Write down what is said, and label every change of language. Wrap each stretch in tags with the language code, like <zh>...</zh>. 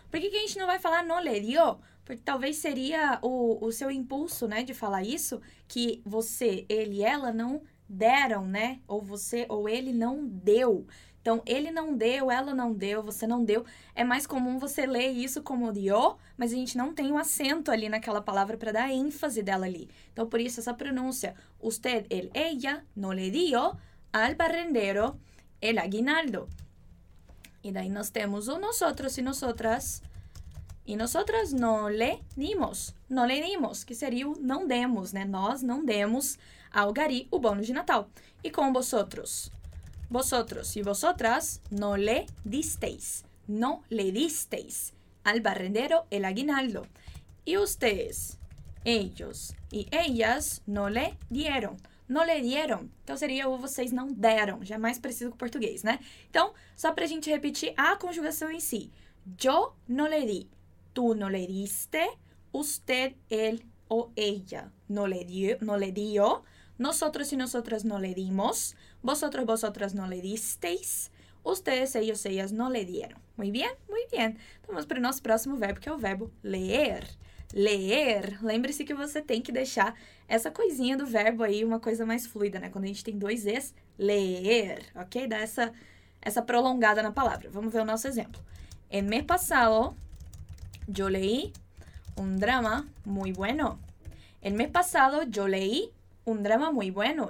<pt>Por que que a gente não vai falar no le dio? Porque talvez seria o seu impulso, né, de falar isso, que você, ele e ela não deram, né? Ou você ou ele não deu. Então, ele não deu, ela não deu, você não deu. É mais comum você ler isso como dio, mas a gente não tem o acento ali naquela palavra para dar ênfase dela ali. Então, por isso, essa pronúncia.</pt> <es>Usted, él, ella, no le dio al barrendero el aguinaldo.</es> <pt>E daí nós temos o nosotros e nosotras. E nosotras no le dimos. No le dimos, que seria o não demos, né? Nós não demos ao gari o bônus de Natal. E com vosotros? Vosotros e vosotras no le disteis.</pt> <es>No le disteis al barrendero el aguinaldo. E ustedes? Ellos y ellas no le dieron. No le dieron.</es> <pt>Então, seria o vocês não deram. Já é mais preciso que o português, né? Então, só pra gente repetir a conjugação em si.</pt> <es>Yo no le di. Tú no le diste. Usted, él o ella no le dio. No le dio. Nosotros y nosotras no le dimos. Vosotros, vosotras no le disteis.</es> <pt>Ustedes, ellos, ellas no le dieron. Muy bien, muy bien. Vamos para o nosso próximo verbo, que é o verbo leer. ler, lembre-se que você tem que deixar essa coisinha do verbo aí uma coisa mais fluida, né? Quando a gente tem dois Es, ler, ok? Dá essa prolongada na palavra. Vamos ver o nosso exemplo.</pt> <es>En mes pasado, yo leí un drama muy bueno. En mes pasado, yo leí un drama muy bueno.</es>